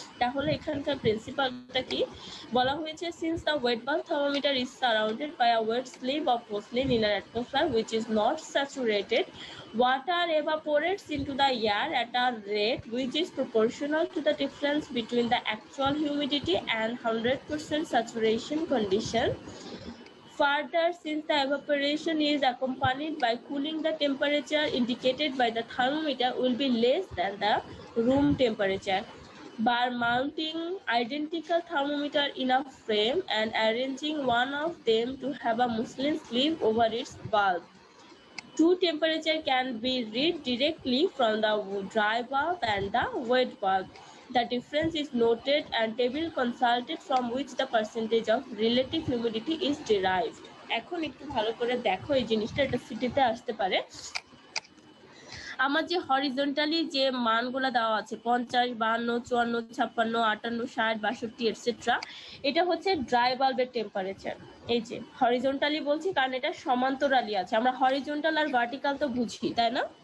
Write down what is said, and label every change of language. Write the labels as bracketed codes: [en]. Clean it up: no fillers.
[bn] তাহলে এখানকার প্রিন্সিপালটা কি বলা হয়েছে, [en] Since the wet bulb thermometer is surrounded by a wet sleeve of muslin in an atmosphere which is not saturated, water evaporates into the air at a rate which is proportional to the difference between the actual humidity and 100% saturation condition. Further, since the evaporation is accompanied by cooling, the temperature indicated by the thermometer will be less than the room temperature. By mounting identical thermometer in a frame and arranging one of them to have a muslin sleeve over its bulb, two temperature can be read directly from the dry bulb and the wet bulb. The difference is noted and table consulted from which the percentage of relative humidity is derived. [bn] এখন একটু ভালো করে দেখো এই জিনিসটা, এটা সিটিতে আসতে পারে। আমার যে হরিজন্টালি যে মানগুলো দেওয়া আছে 50, 52, 54, 58, 62, 68 এটসেট্রা, এটা হচ্ছে ড্রাই বাল্বের টেম্পারেচার। এই যে হরিজন্টালি বলছি কারণ এটা সমান্তরালি আছে, আমরা হরিজন্টাল আর ভার্টিক্যাল তো বুঝি তাই না?